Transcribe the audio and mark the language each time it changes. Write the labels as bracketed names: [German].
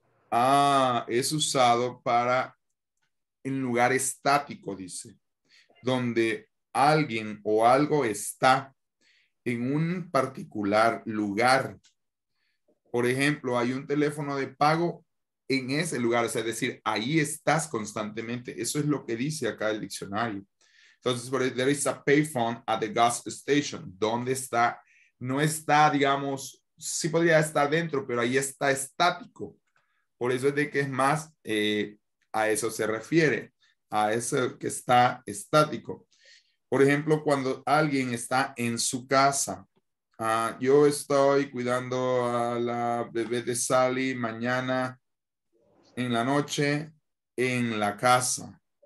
[Spanish] Ah, es usado para en lugar estático, dice, donde alguien o algo está en un particular lugar. Por ejemplo, hay un teléfono de pago en ese lugar. O sea, es decir, ahí estás constantemente. Eso es lo que dice acá el diccionario. [English] Entonces, there is a payphone at the gas station. [Spanish] ¿Dónde está? No está, digamos, sí podría estar dentro, pero ahí está estático. Por eso es de que es más a eso se refiere, a eso que está estático. Por ejemplo, cuando alguien está en su casa. Yo estoy cuidando a la bebé de Sally mañana en la noche en la casa.